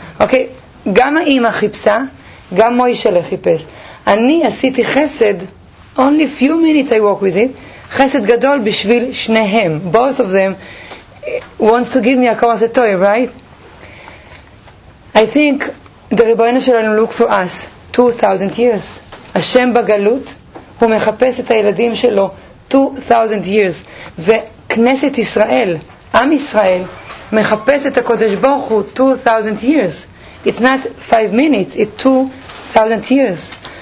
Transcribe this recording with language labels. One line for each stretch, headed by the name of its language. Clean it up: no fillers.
Hebrew: אוקיי, גם האמא חיפשה, גם מוישה חיפש. אני עשיתי חסד,
English: only few minutes I work with it,
Hebrew: חסד גדול בשביל שניהם.
English: Both of them wants to give me a car as a toy, right? I think the
Hebrew: ריבונו שלנו
English: look for us 2,000 years.
Hebrew: השם בגלות, הוא מחפש את הילדים שלו 2,000 years. וכנסת ישראל, עם ישראל מחפש את הקודש ברוך הוא 2,000 years.
English: It's not 5 minutes, it's 2,000 years.